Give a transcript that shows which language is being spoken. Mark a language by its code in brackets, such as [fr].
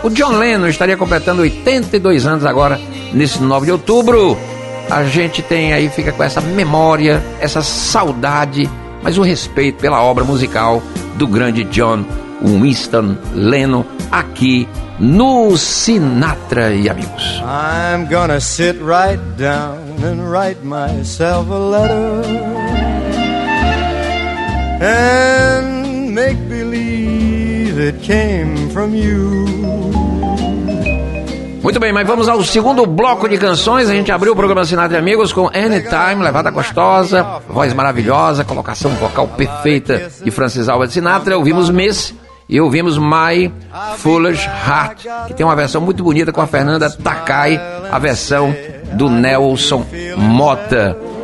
[pt] O John Lennon estaria completando 82 anos agora, nesse 9 de outubro. A gente tem aí, fica com essa memória, essa saudade, mas o respeito pela obra musical do grande John Winston Lennon, aqui no Sinatra e Amigos. [en] I'm gonna sit right down and write myself a letter and make believe it came from you. [pt] Muito bem, mas vamos ao segundo bloco de canções. A gente abriu o programa Sinatra e Amigos com Anytime, levada gostosa, voz maravilhosa, colocação vocal perfeita de Francis Alves Sinatra. Ouvimos Miss e ouvimos My Foolish Heart, que tem uma versão muito bonita com a Fernanda Takai, a versão do Nelson Motta.